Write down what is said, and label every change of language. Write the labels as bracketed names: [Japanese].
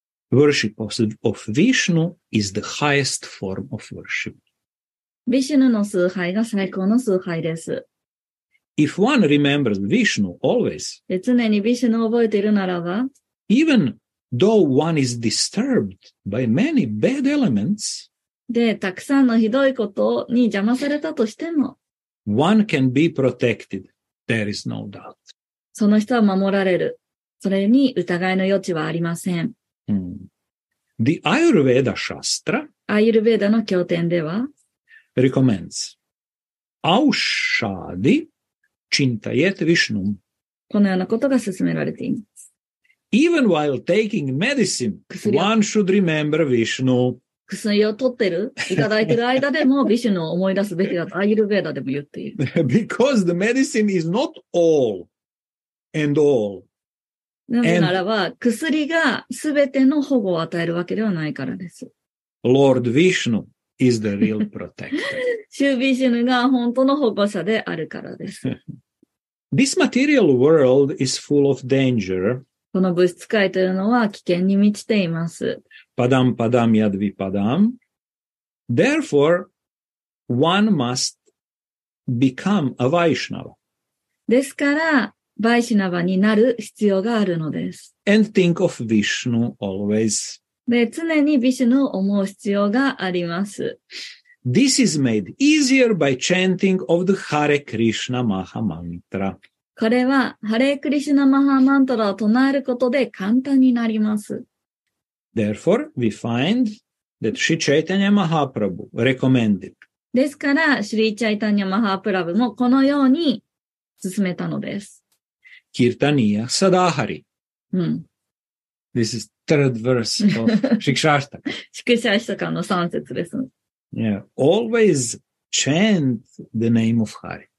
[English] Worship of Vishnu is the highest form of worship. [Japanese] ヴィシュヌの崇拝が最高の崇拝です。 [English] If one remembers Vishnu always, [Japanese] 常にヴィシュヌを覚えているならば、 [English] even though one is disturbed by many bad elements, [Japanese] で、たくさんのひどいことに邪魔されたとしても、 [English] one can be protected, there is no doubt. [Japanese] その人は守られる。それに疑いの余地はありません。 [English] The Ayurveda Shastra, [Japanese] アイルヴェーダの経典では、 [Sanskrit] recommends. Aushadi chintayet vishnum. [Japanese] このようなことが勧められています。 [English] Even while taking medicine, one should remember Vishnu. [Japanese] 薬を取ってる、いただいてる間でも、ヴィシュヌを思い出すべきだと、アーユルヴェーダでも言っている。 [English] Because the medicine is not all and all. [Japanese] なぜならば、薬がすべての保護を与えるわけではないからです。 [English] Lord Vishnu. Is the real protector. [Japanese] シュービシュヌが本当の保護者であるからです。 [English] This material world is full of danger. [Japanese] この物質界というのは危険に満ちています。 [Sanskrit] パダムパダムヤドビパダム。 [English] Therefore, one must become a Vaishnava. [Japanese] ですから、ヴァイシナヴァになる必要があるのです。 [English] And think of Vishnu always. [Japanese] で、常にヴィシュヌを思う必要があります。 [English] This is made easier by chanting of the Hare Krishna Maha Mantra. [Japanese] これは、ハレクリシュナマハマントラを唱えることで簡単になります。 [English] Therefore, we find that Sri Chaitanya Mahaprabhu recommended. [Japanese] ですから、シリー・チャイタニア・マハプラブもこのように進めたのです。 [Sanskrit] キルタニア・サダハリ。 [English] This is third verse of Shikshashtaka. [Japanese] Shikshashtaka の三節です。 [English] Yeah, always chant the name of Hari.